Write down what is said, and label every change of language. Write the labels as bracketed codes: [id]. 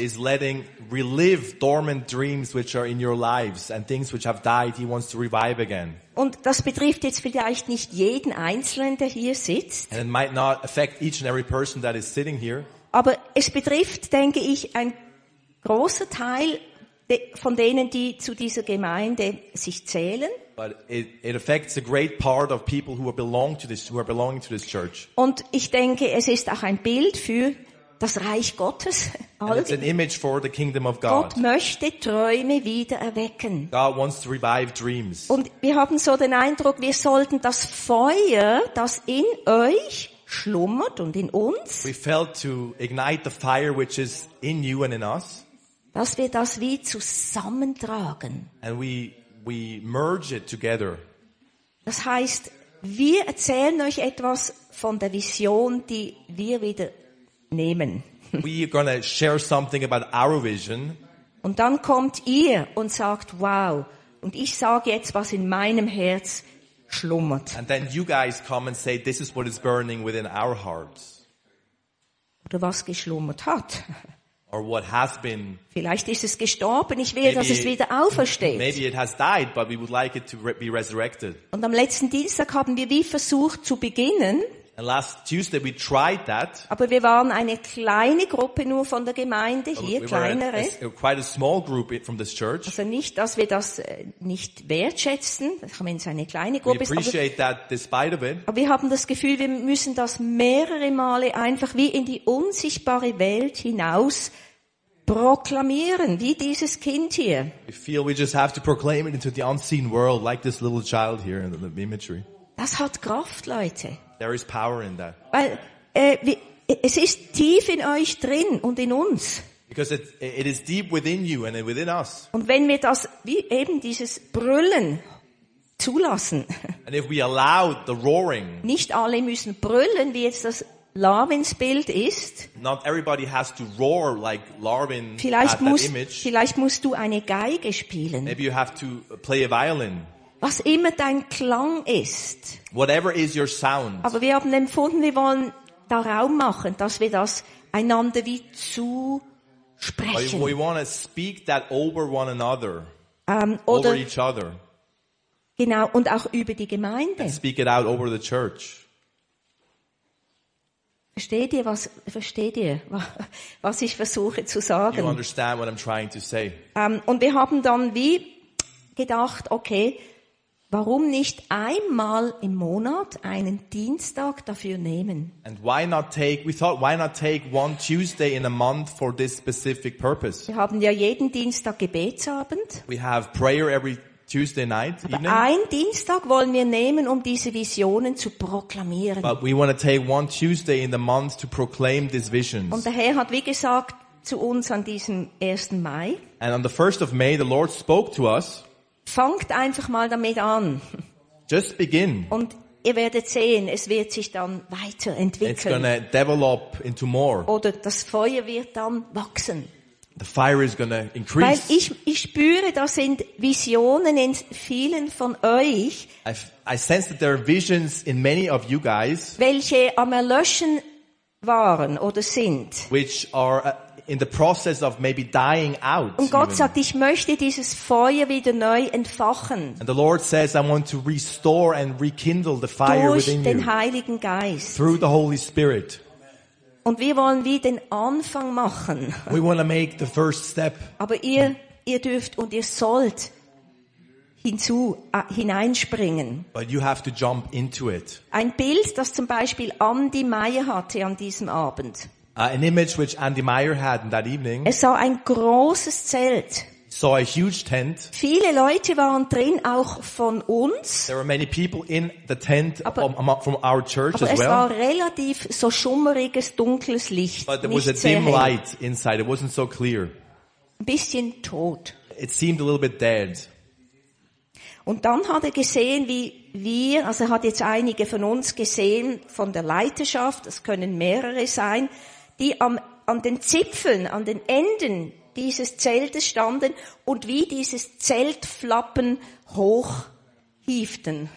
[en] Is letting relive dormant dreams which are in your lives and things which have died, he wants to revive again. [de] Und das betrifft jetzt vielleicht nicht jeden Einzelnen, der hier sitzt. [en] And it might not affect each and every person that is sitting here. [de] Aber es betrifft, denke ich, ein großer Teil von denen, die zu dieser Gemeinde sich zählen. [en] But it affects a great part of people who are belonging to this church. [de] Und ich denke, es ist auch ein Bild für das Reich Gottes. [en] And it's an image for the kingdom of God. [de] Gott möchte Träume wieder erwecken. [en] God wants to revive dreams. [de] Und wir haben so den Eindruck, wir sollten das Feuer, das in euch schlummert und in uns, [en] we felt to ignite the fire which is in you and in us, [de] dass wir das wie zusammentragen. [en] And we merge it together. [de] Das heißt, wir erzählen euch etwas von der Vision, die wir wieder nehmen. [en] We are going to share something about our vision. [de] Und dann kommt ihr und sagt, wow. Und ich sage jetzt, was in meinem Herz schlummert. [en] And then you guys come and say, this is what is burning within our hearts. [de] Oder was geschlummert hat. [en] Or what has been. [de] Vielleicht ist es gestorben, ich will, dass es wieder aufersteht. [en] Maybe it has died, but we would like it to be resurrected. [de] Und am letzten Dienstag haben wir wie versucht zu beginnen. [en] And last Tuesday we tried that. [de] Aber wir waren eine kleine Gruppe nur von der Gemeinde, hier kleinere. [en] Quite a small group from this church. [de] Also nicht, dass wir das nicht wertschätzen, wenn es eine kleine Gruppe ist. [en] We appreciate that despite of it. [de] Aber wir haben das Gefühl, wir müssen das mehrere Male einfach wie in die unsichtbare Welt hinaus proklamieren, wie dieses Kind hier. [en] We feel we just have to proclaim it into the unseen world, like this little child here in the imagery. [de] Das hat Kraft, Leute. [en] There is power in that. [de] Weil es ist tief in euch drin und in uns. [en] Because it is deep within you and within us. [de] Und wenn wir das, wie eben dieses Brüllen zulassen. [en] And if we allow the roaring. [de] Nicht alle müssen brüllen, wie jetzt das Larwins Bild ist. [en] Not everybody has to roar like Larwin. [de] Vielleicht [en] that image. [de] Vielleicht musst du eine Geige spielen. [en] Maybe you have to play a violin. [de] Was immer dein Klang ist. [en] Whatever is your sound. [de] Aber wir haben empfunden, wir wollen da Raum machen, dass wir das einander wie zusprechen. [en] We want to speak that over one another. [de] Oder, [en] over each other. [de] Genau, und auch über die Gemeinde. [en] And speak it out over the church. [de] Versteht ihr, was ich versuche zu sagen? [en] You understand what I'm trying to say. [de] Und wir haben dann wie gedacht, okay, warum nicht einmal im Monat einen Dienstag dafür nehmen? [en] And why not take? We thought, why not take one Tuesday in a month for this specific purpose? [de] Wir haben ja jeden Dienstag Gebetsabend. [en] We have prayer every Tuesday night. [de] Aber einen Dienstag wollen wir nehmen, um diese Visionen zu proklamieren. [en] But we want to take one Tuesday in the month to proclaim these visions. [de] Und der Herr hat wie gesagt zu uns an diesem 1. Mai. [en] And on the 1st of May, the Lord spoke to us. [de] Fangt einfach mal damit an. [en] Just begin. [de] Und ihr werdet sehen, es wird sich dann weiterentwickeln. [en] It's gonna develop into more. [de] Oder das Feuer wird dann wachsen. [en] The fire is gonna increase. [de] Weil ich spüre, da sind Visionen in vielen von euch. [en] I sense that there are visions in many of you guys. [de] Welche am Erlöschen waren oder sind. [en] Which are in the process of maybe dying out. [de] Und Gott sagt, ich möchte dieses Feuer wieder neu entfachen. [en] And the Lord says, I want to restore and rekindle the fire within you. [de] Durch den Heiligen Geist. [en] Through the Holy Spirit. [de] Und wir wollen wie den Anfang machen. [en] We want to make the first step. [de] Aber ihr dürft und ihr sollt hineinspringen. [en] But you have to jump into it. [de] Ein Bild, das zum Beispiel Andy Meyer hatte an diesem Abend. [en] An image which Andy Meyer had that evening. [de] Er sah ein großes Zelt. [en] Saw a huge tent. [de] Viele Leute waren drin, auch von uns. [en] There were many people in the tent from our church as well. [de] Aber es war relativ so schummeriges, dunkles Licht. [en] But there was a dim light inside. It wasn't so clear. [de] Ein bisschen tot. [en] It seemed a little bit dead. [de] Und dann hat er gesehen, wie wir, also er hat jetzt einige von uns gesehen, von der Leiterschaft, das können mehrere sein, die an den Zipfeln, an den Enden dieses Zeltes standen und wie dieses Zeltflappen hochhieften.